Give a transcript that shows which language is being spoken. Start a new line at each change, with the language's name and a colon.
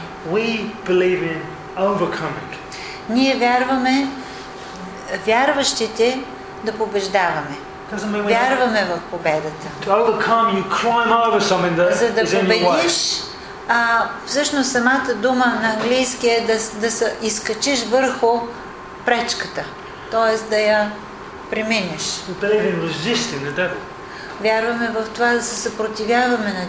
English: We believe in overcoming.
Bulgarian: Ние вярваме вярващите да побеждаваме. Вярваме в победата.
English: To overcome, you climb over something that is in your way.
Bulgarian: За да победиш, всъщност самата дума на английски е да се изкачиш върху пречката, т.е. да я преминеш.
English: We believe in resisting the devil.
Bulgarian: Вярваме в това да се съпротивяваме на